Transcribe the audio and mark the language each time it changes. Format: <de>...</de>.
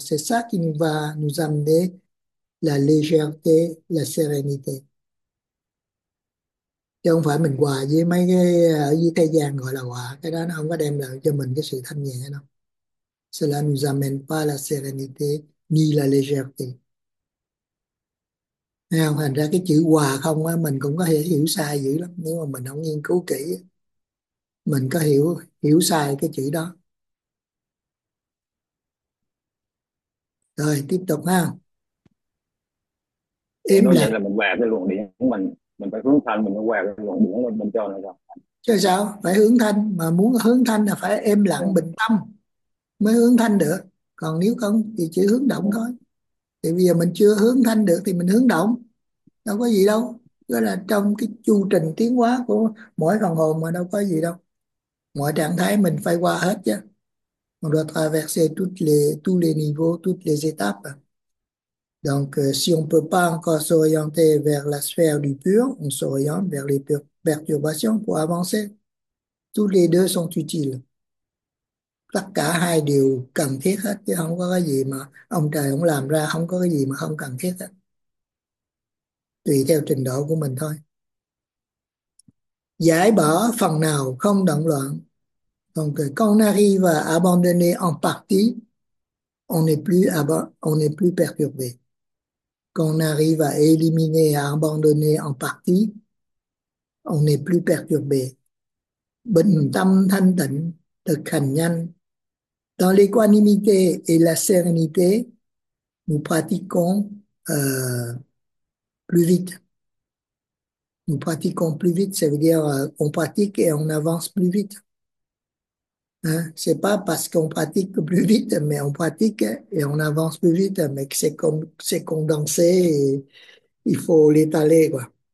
<fr>C'est ça qui nous va nous amener la légèreté, la sérénité.</fr> <vi>Chứ không phải mình hòa với mấy cái ở dưới thế gian gọi là hòa, cái đó nó không có đem lại cho mình cái sự thanh nhẹ đâu.</vi> <fr>Cela nous amène pas la sérénité ni la légèreté.</fr> <vi>Nào, thành ra cái chữ hòa không á, mình cũng có thể hiểu sai dữ lắm nếu mà mình không nghiên cứu kỹ. Mình có hiểu hiểu sai cái chữ đó. Rồi, tiếp tục ha. Để Im nói lặng. nhanh là mình về cái luồng điện của mình phải hướng thanh, mình mới về cái luồng điện của mình cho nó xong. Chứ sao? Phải hướng thanh. Mà muốn hướng thanh là phải im lặng, bình tâm mới hướng thanh được. Còn nếu không thì chỉ hướng động thôi. Thì bây giờ mình chưa hướng thanh được thì mình hướng động. Đâu có gì đâu. Đó là trong cái chu trình tiến hóa của mỗi phần hồn mà đâu có gì đâu. Mọi trạng thái mình phải qua hết chứ.</vi> <fr>On doit traverser tous les niveaux, toutes les étapes. Donc, si on ne peut pas encore s'orienter vers la sphère du pur, on s'oriente vers les perturbations pour avancer. Tous les deux sont utiles.</fr> <vi>Tất cả hai đều cần thiết hết chứ không có cái gì mà ông trời ông làm ra không có cái gì mà không cần thiết hết. Tùy theo trình độ của mình thôi. Giải bỏ phần nào không động loạn.</vi> <fr>Donc, quand on arrive à abandonner en partie, on n'est plus perturbé. Quand on arrive à éliminer, à abandonner en partie, on n'est plus perturbé.</fr> <vi>Bình tâm thanh tịnh, thực hành nhanh.</vi> <fr>Dans l'équanimité et la sérénité, nous pratiquons plus vite. Nous pratiquons plus vite, ça veut dire on pratique et on avance plus vite. Hein? Ce n'est pas parce qu'on pratique plus vite, mais on pratique et on avance plus vite, mais que c'est condensé et il faut l'étaler, quoi.</fr>